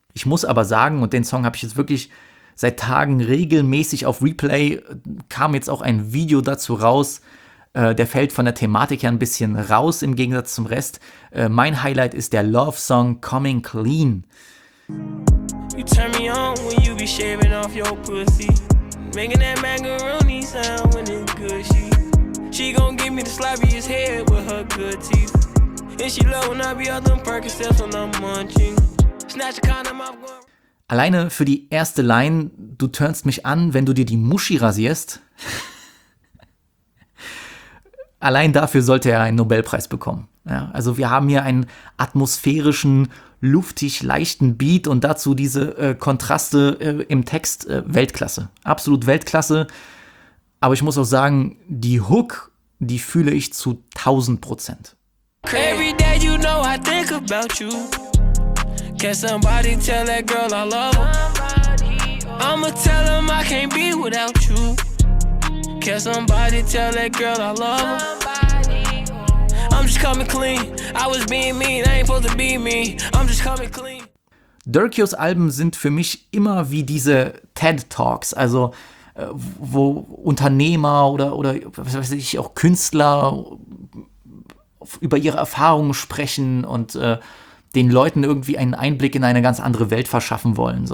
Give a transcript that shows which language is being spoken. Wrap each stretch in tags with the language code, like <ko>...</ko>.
<de>Ich muss aber sagen, und den Song habe ich jetzt wirklich seit Tagen regelmäßig auf Replay, kam jetzt auch ein Video dazu raus, der fällt von der Thematik her ein bisschen raus im Gegensatz zum Rest. Mein Highlight ist der Love-Song Coming Clean.</de> <en>You turn me on when you be shaving off your pussy. Making that macaroni sound when it's gushy. She gon' give me the sloppiest head with her good teeth. And she love when I be all them Percocets when I'm munching. Snatch a condom off going.</en> <de>Alleine für die erste Line, du turnst mich an, wenn du dir die Muschi rasierst. Allein dafür sollte er einen Nobelpreis bekommen. Ja, also wir haben hier einen atmosphärischen, luftig leichten Beat und dazu diese Kontraste im Text, Weltklasse. Absolut Weltklasse. Aber ich muss auch sagen, die Hook, die fühle ich zu 1000%.</de> <en>Every day you know I think about you. Can somebody tell that girl I love her? I'ma tell him I can't be without you. Can somebody tell that girl I love her? I'm just coming clean. I was being mean, I ain't supposed to be mean. I'm just coming clean.</en> <de>Dirkios Alben sind für mich immer wie diese TED-Talks, also wo Unternehmer oder was weiß ich, auch Künstler über ihre Erfahrungen sprechen und den Leuten irgendwie einen Einblick in eine ganz andere Welt verschaffen wollen.</de>